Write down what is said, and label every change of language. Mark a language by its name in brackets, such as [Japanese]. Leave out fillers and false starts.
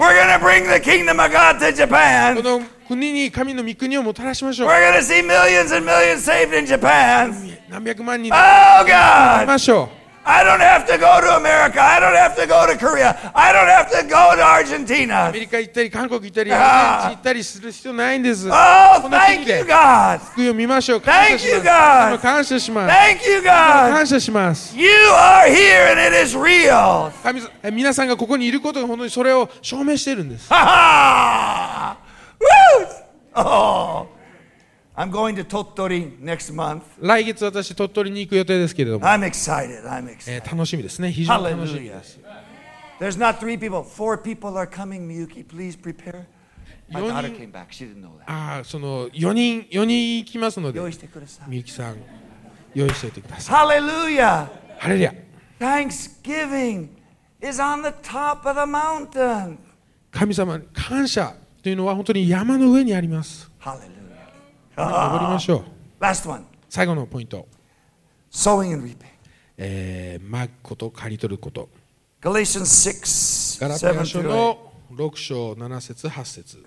[English] We're gonna bring the kingdom of God to Japan. [Japanese] この国に神の御国をもたらしましょう。 [English] We're gonna see millions and millions saved in Japan. [Japanese] 何百万人を救いましょう。 [English] Oh God! I don't have to go to America. I don't have to go to Korea. I don't have to go to Argentina. [Japanese] アメリカ行ったり韓国行ったり、アメリカ行ったりする必要ないんです。 [English] Oh, thank you, God. [Japanese] 救いを見ましょう。 [English] Thank you, God. [Japanese] 感謝します。 [English] Thank you, God. [Japanese] 感謝します。 [English] You are here and it is real. [Japanese] 神様、皆さんがここにいることが本当にそれを証明しているんです。 [English] Woo! Oh, I'm going to Tottori next month. [Japanese] 来月私鳥取に行く予定ですけれども。 [English] I'm excited. I'm excited. [Japanese] 楽しみですね。非常に楽しみです。 [English] Hallelujah. There's not three people. Four people are coming. Miyuki, please prepare. My daughter came back. She didn't know that. [Japanese] ああ、その4人行きますので。用意してください。 Miyuki さん、用意しておいてください。 [English] Hallelujah. Hallelujah. Thanksgiving is on the top of the mountain. [Japanese] 神様、感謝。というのは本当に山の上にあります。ハレルヤ。登りましょう。 [English] Last one. [Japanese] 最後のポイント。 [English] Sowing and reaping. [Japanese] まくこと刈り取ること。 [English] Galatians 6, 7-8. [Japanese] ガラテヤ書の6章7節8節。